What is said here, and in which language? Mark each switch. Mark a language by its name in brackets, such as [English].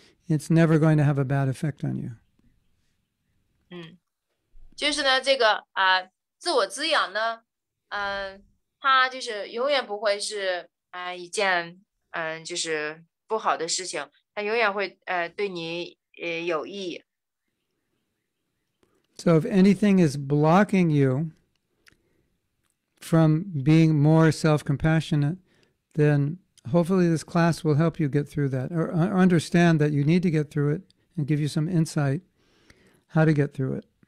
[English] It's never going to have a bad effect on you. [Chinese] 就是呢，这个自我滋养呢，它就是永远不会是一件就是不好的事情，它永远会对你有益。 [English] So if anything is blocking you from being more self-compassionate, then hopefully this class will help you get through that or understand that you need to get through it and give you some insight how to get through it.